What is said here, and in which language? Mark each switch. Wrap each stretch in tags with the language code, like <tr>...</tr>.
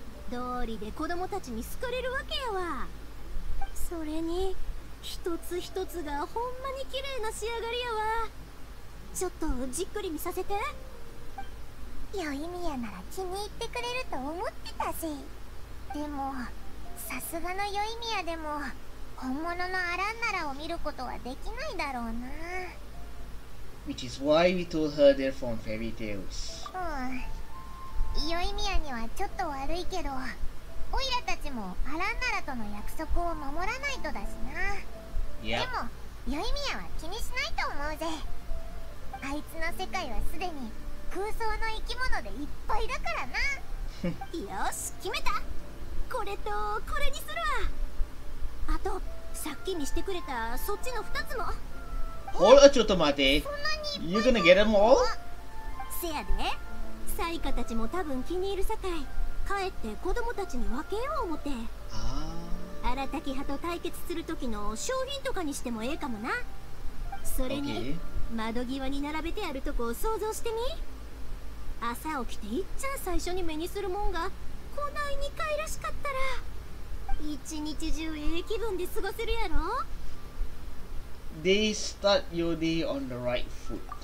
<ja>道理で子供たちに好かれるわけやわ。それに一つ一つがほんまに綺麗な仕上がりやわ。ちょっとじっくり見させて。よいみやなら気に入ってくれると思ってたし。でもさすがのよいみやでも本物のアランナラを見ることはできないだろうな。</ja> <en>Which is why we told her they're from fairy tales.</en> <ja>うん、よいみやにはちょっと悪いけど、オイラたちもアランナラとの約束を守らないとだしな。でもヨイミヤは気にしないと思うぜ。あいつの世界はすでに空想の生き物でいっぱいだからな。よし、決めた。これとこれにするわ。あとさっき見してくれたそっちの2つも。ほら、ちょっと待て。そんなにいっぱい。せやで、サイカたちも多分気に入るさかい、帰って子供たちに分けよう思って。あらたき派と対決する時の商品とかにしてもええかもな。それに 窓際に並べてあるとこを想像してみ。朝起きていっちゃん最初に目にするもんがこないに可愛らしかったら、一日中ええ気分で過ごせるやろ。</ja> <en>They start your day on the right foot.</en>